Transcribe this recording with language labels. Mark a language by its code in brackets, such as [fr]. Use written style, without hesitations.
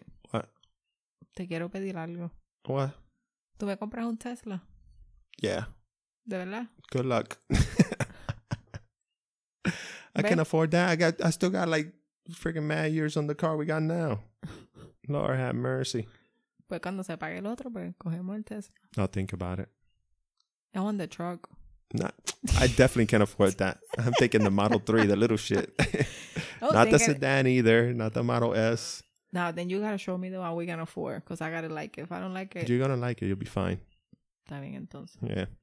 [es] What? Te quiero pedir algo. [en] What? [es] ¿Tú me compras un Tesla? [en] Yeah. [es] ¿De verdad? [en] Good luck. I can afford that. I still got like freaking mad years on the car we got now. Lord have mercy. [es] Pues cuando se pague el otro, pues cogemos el Tesla. [en] I'll think about it. I want the truck. Nah, I definitely can't afford that. I'm taking the Model 3, the little shit. Not the sedan either. Not the Model S. Now, then you gotta show me the one we can afford. Because I gotta like it. If I don't like it. You're gonna like it. You'll be fine. [es] Está bien, entonces. [en] Yeah.